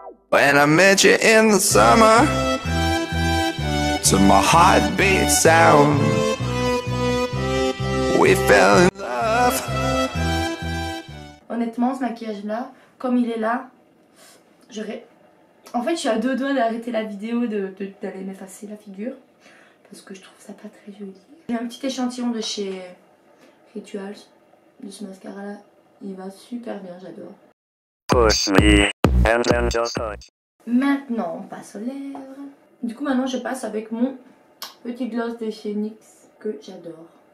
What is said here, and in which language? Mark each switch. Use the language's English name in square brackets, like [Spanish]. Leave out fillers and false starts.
[English] When I met you in the summer, to my heartbeat sound. We fell in love. [French] Honnêtement, ce maquillage là, comme il est là, j'aurais. En fait, je suis à deux doigts d'arrêter la vidéo d'aller m'effacer la figure. Parce que je trouve ça pas très joli. J'ai un petit échantillon de chez Rituals, de ce mascara là. Il va super bien, j'adore. [English] Push me and then just touch. [French] Maintenant, on passe aux lèvres. Du coup, maintenant, je passe avec mon petit gloss de chez NYX que j'adore.